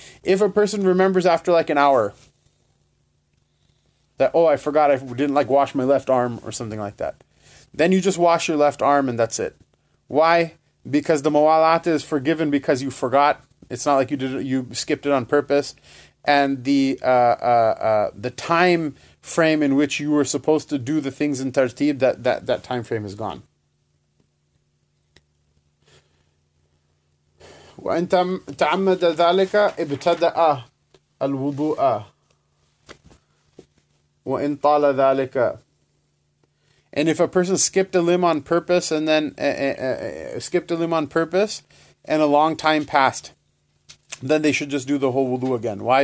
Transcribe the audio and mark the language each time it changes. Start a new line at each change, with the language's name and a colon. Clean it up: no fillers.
English: If a person remembers after like an hour that, oh, I forgot, I didn't like wash my left arm or something like that, then you just wash your left arm and that's it. Why? Because the mawalat is forgiven because you forgot. It's not like you skipped it on purpose. And the time frame in which you were supposed to do the things in tartib, that time frame is gone.
Arabic: وإن تعمد ذلك ابتدأ الوضوء وإن طال ذلك.
English: And if a person skipped a limb on purpose and then skipped a limb on purpose and a long time passed, then they should just do the whole wudu again. Why?